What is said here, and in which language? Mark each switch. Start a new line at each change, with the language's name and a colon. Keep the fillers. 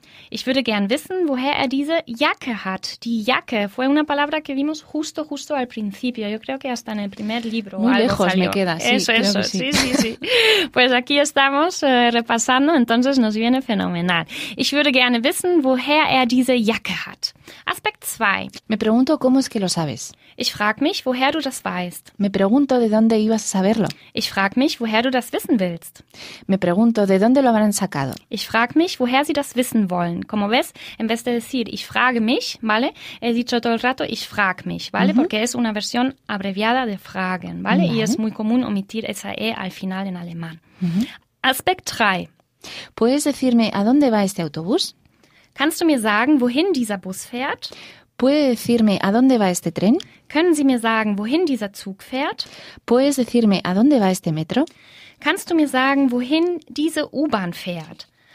German: ich würde gerne wissen, woher er diese Jacke hat. Die Jacke war eine
Spanish: palabra que vimos justo justo al principio. Yo creo que hasta en el primer libro. Muy lejos me queda. Sí, eso eso. Que sí. sí sí sí. pues aquí estamos eh, uh, repasando. Entonces nos viene fenomenal.
German: Ich würde gerne wissen, woher er diese Jacke hat.
English: Aspect 2.
Spanish: Me pregunto cómo es que lo sabes.
German: Ich frag mich, woher du das weißt.
Spanish: Me pregunto de dónde ibas a saberlo.
German: Ich frag mich, woher du das wissen willst.
Spanish: Me pregunto de dónde lo habrán sacado.
German: Ich frag mich, woher sie das wissen wollen.
Spanish: Como ves, en vez de decir
German: ich frage mich,
Spanish: ¿vale? He dicho todo el rato
German: ich frag mich,
Spanish: ¿vale? Uh -huh. Porque es una versión abreviada de fragen, ¿vale? Uh -huh. Y uh -huh. es muy común omitir esa E al final en alemán.
English: Aspect 3.
Spanish: ¿Puedes decirme a dónde va este autobús?
German: Kannst du mir sagen, wohin dieser Bus fährt?
Spanish: Puede decirme a dónde va este tren?
German: Können Sie mir sagen, wohin dieser Zug fährt?
Spanish: Puedes decirme a dónde va este metro?
German: Kannst du mir sagen, wohin diese U-Bahn fährt?